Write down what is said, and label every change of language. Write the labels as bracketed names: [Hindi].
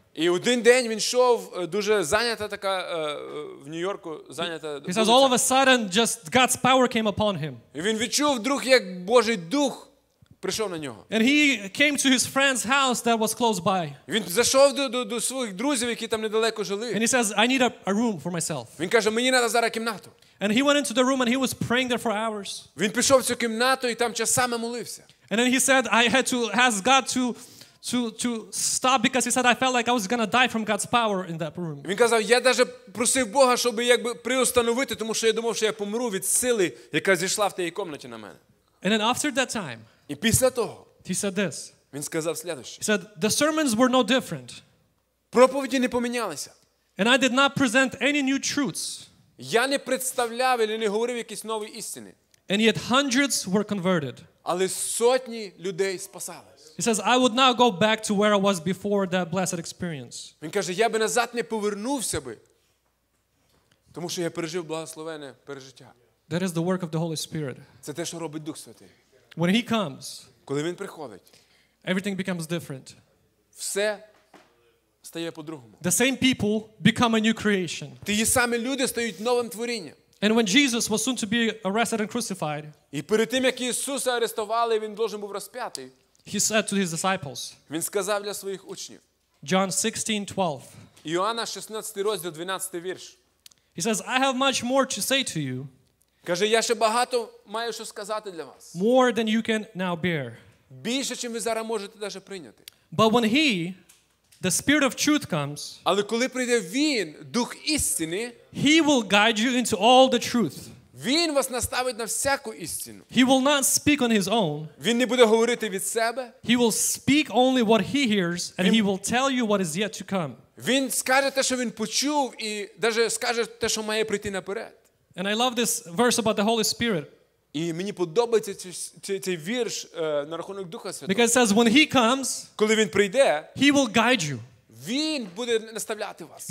[Ukrainian] І один день він йшов дуже зайнята така в Нью-Йорку зайнята. [English] He says all of a sudden just God's power came upon him. [Ukrainian] І він відчув вдруг, як Божий дух прийшов на нього. [English] And he came to his friend's house that was close by. [Ukrainian] Він зайшов до своїх друзів, які там недалеко жили. [English] And he says, I need a room for myself. [Ukrainian] Він каже, мені треба зараз кімнату. [English] And he went into the room and he was praying there for hours. [Ukrainian] Він пішов в цю кімнату і там часами молився. [English] And then he said, I had to ask God to stop because he said I felt like I was going to die from God's power in that room. [Ukrainian] Він казав, я даже просив Бога, щоб якби приостановити, тому що я думав, що я помру від сили, яка зійшла в тій кімнаті на мене. [English] And then after that time, [Ukrainian] і після того, [English] he said this. [Ukrainian] Він сказав следующее. [English] He said, the sermons were no different. [Ukrainian] Проповіді не помінялися. [English] And I did not present any new truths. [Ukrainian] Я не представляв і не говорив якісь нові істини. [English] And yet hundreds were converted. [Ukrainian] Але сотні людей спасались. [English] He says, I would not go back to where I was before that blessed experience. [Ukrainian] Він каже, я би назад не повернувся би, тому що я пережив благословенне пережиття. [English] That is the work of the Holy Spirit. [Ukrainian] Це те, що робить Дух Святий. [English] When he comes, [Ukrainian] коли він приходить, [English] everything becomes different. [Ukrainian] Все стає по-другому. [English] The same people become a new creation. [Ukrainian] Ті самі люди стають новим творінням. [English] And when Jesus was soon to be arrested and crucified, [Ukrainian] і перед тим, як Ісуса арештували, він должен був розп'ятий, [English] he said to his disciples, [Ukrainian] він сказав для своїх учнів, [English] John 16:12, [Ukrainian] Іоанна 16 розділ, 12 вірш, [English] he says, I have much more to say to you, [Ukrainian] каже, я ще багато маю що сказати для вас, [English] more than you can now bear, [Ukrainian] більше, чим ви зараз можете даже прийняти, [English] but when he, the Spirit of truth comes, [Ukrainian] але коли прийде він, Дух істини, [English] he will guide you into all the truth. [Ukrainian] Він вас наставить на всяку істину. [English] He will not speak on his own. [Ukrainian] Він не буде говорити від себе. [English] He will speak only what he hears, and he will tell you what is yet to come. [Ukrainian] Він скаже те, що він почув, і даже скаже те, що має прийти наперед. [English] And I love this verse about the Holy Spirit. [Ukrainian] І мені подобається цей вірш на рахунок Духа Святого. [English] Because it says, when he comes, [Ukrainian] коли він прийде, [English] he will guide you. [Ukrainian] Він буде наставляти вас.